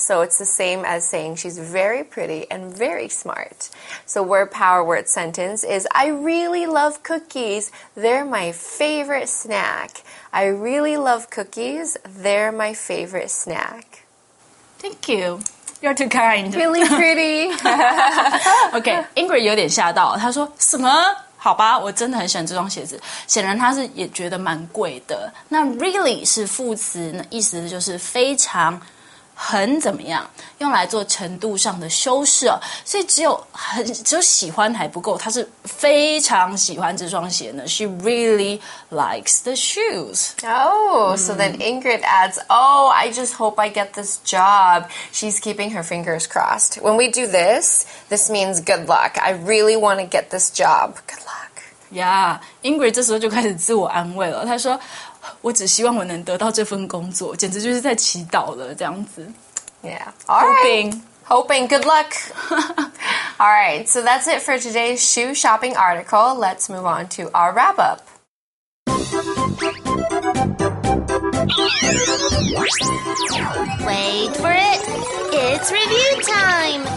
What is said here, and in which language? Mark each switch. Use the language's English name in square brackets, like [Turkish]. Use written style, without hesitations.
[English] So it's the same as saying she's very pretty and very smart. So word power word sentence is, I really love cookies. They're my favorite snack. I really love cookies. They're my favorite snack. Thank you. You're too kind. Really pretty. [Chinese] Okay, Ingrid 有点吓到，她说什么？好吧，我真的很喜欢这双鞋子。显然她是也觉得蛮贵的。那 really 是副词，意思就是非常、很怎么样，用来做程度上的修饰哦。所以只有喜欢还不够，她是非常喜欢这双鞋呢。 [English] She really likes the shoes. So then Ingrid adds, oh, I just hope I get this job. She's keeping her fingers crossed. When we do this, this means good luck. I really want to get this job. Good luck. [Chinese] Yeah, Ingrid 这时候就开始自我安慰了。她说我只希望我能得到这份工作，简直就是在祈祷了，这样子。 [English] Yeah. All right. Hoping. Good luck. All right. So that's it for today's shoe shopping article. Let's move on to our wrap up. Wait for it. It's review time.